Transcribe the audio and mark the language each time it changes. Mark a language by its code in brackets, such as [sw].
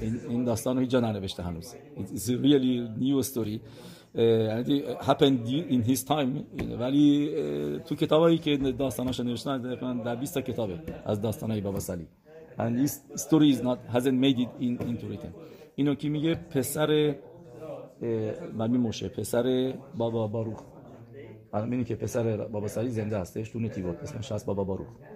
[fa] In داستان هیچ جا ننوشته هنوز. [en] It's a really new story. It happened in his time. [fa] ولی تو کتابایی که داستانش نوشتن در 20 کتابه از داستانهای بابا سلی. [en] And this story is not hasn't made it into written. [fa] اینو کی میگه پسر مامی موشه پسر بابا باروخ. اینو که پسر بابا سلی زنده هستش تو نتیبور اسمش هست بابا باروخ.